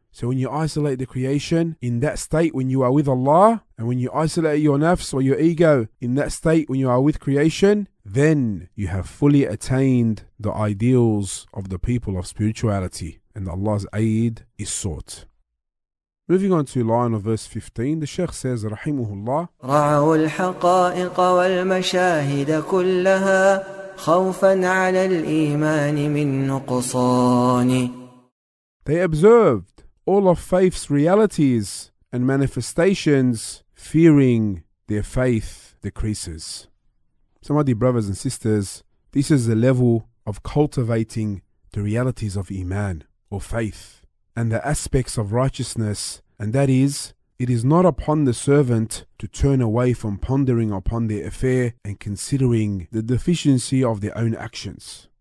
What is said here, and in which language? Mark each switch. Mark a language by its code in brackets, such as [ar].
[en] So when you isolate the creation in that state when you are with Allah, and when you isolate your nafs or your ego in that state when you are with creation, then you have fully attained the ideals of the people of spirituality, and Allah's aid is sought. Moving on to line of verse 15, the Sheikh says, Rahimuhullah, [ar] رعوا الحقائق والمشاهد كلها خوفا على الإيمان من نقصان. [en] They observed all of faith's realities and manifestations, fearing their faith decreases. So my dear brothers and sisters, this is the level of cultivating the realities of Iman or faith and the aspects of righteousness, and that is, it is not upon the servant to turn away from pondering upon their affair and considering the deficiency of their own actions.